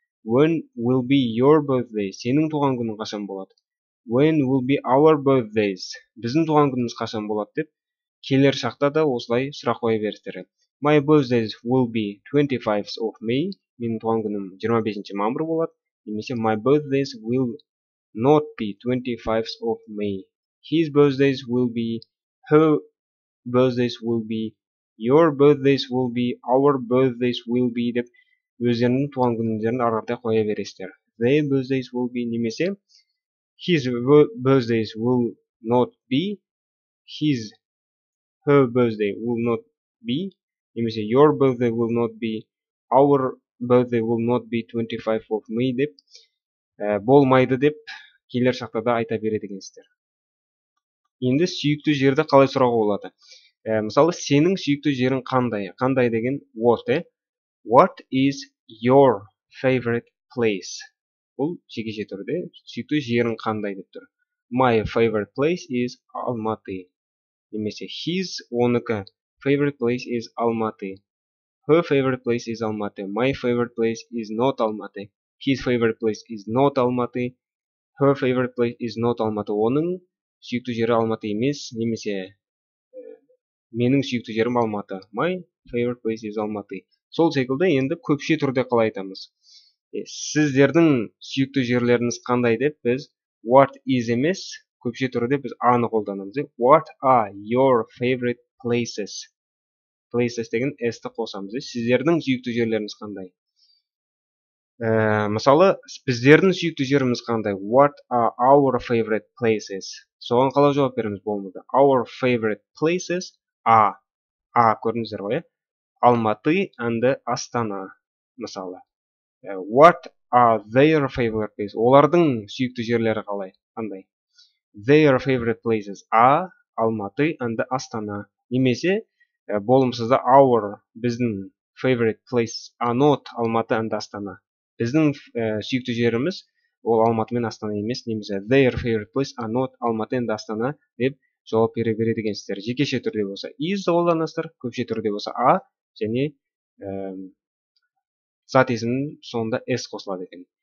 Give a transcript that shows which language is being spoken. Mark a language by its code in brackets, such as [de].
[en] When will be your birthday? [kk] Сенің туған күнің қашан болады? [en] When will be our birthdays? [kk] Біздің туған күніміз қашан болады деп келер шақта да осылай сұрақ қоя бересіздер. [en] My birthdays will be 25th of May. [kk] Менің туған күнім 25-ші мамыр болады. [en] Немесе my birthdays will not be 25th of May. His birthdays will be, her birthdays will be, your birthdays will be, our birthdays will be [kk] деп өздерінің туған күндерін арқылы қоя бересіздер. [en] Their birthdays will be немесе his birthdays will not be, his, her birthday will not be, немесе your birthday will not be, our birthday will not be 25th of May [kk] деп, болмайды деп, келер шақта да айта береді екенсіздер. Енді сүйікті жерді қалай сұрауға болады? Мысалы, сенің сүйікті жерің қандай? Қандай деген what? [en] What is your favorite place? [kk] Бұл жеке-жеке түрде сүйікті жерің қандай деп тұр. [en] My favorite place is Алматы. Немесе his онікі favorite place is Алматы. Her favorite place is Алматы. My favorite place is not Алматы. His favorite place is not Алматы. Her favorite place is not Алматы. [kk] Оның сүйікті жері Алматы емес. Немесе менің сүйікті жерім Алматы. [en] My favorite place is Алматы. [kk] Сол секілді енді көпше түрде қалай айтамыз. Сіздердің сүйікті жерлеріңіз қандай деп біз what is емес, көпше түрде біз аны қолданамыз. [en] What are your favorite places? [kk] Places деген S-ті қосамыз. Сіздердің сүйікті жерлеріңіз қандай? Мысалы, біздердің сүйікті жеріміз қандай? [en] What are our favorite places? [kk] Соған қалай жауап береміз болмады. [en] Our favorite places are. [kk] А көрдіңіздер ғой. [en] Алматы and Астана. [kk] Мысалы. [en] What are their favorite places? [kk] Олардың сүйікті жерлері қалай? Қандай? [en] Their favorite places are Алматы and Астана. [kk] Немесе, болымсызда [en] our, біздің favorite places are not Алматы and Астана. [kk] Біздің сүйікті жеріміз ол Алматы мен Астана емес. [en] Немесе, their favorite places are not Алматы and Астана [kk] деп жауап бере береді екенсіздер. Жекеше түрде болса is қолданасыздар, көпше түрде болса а және зат есімінің соңында S қосылады екен.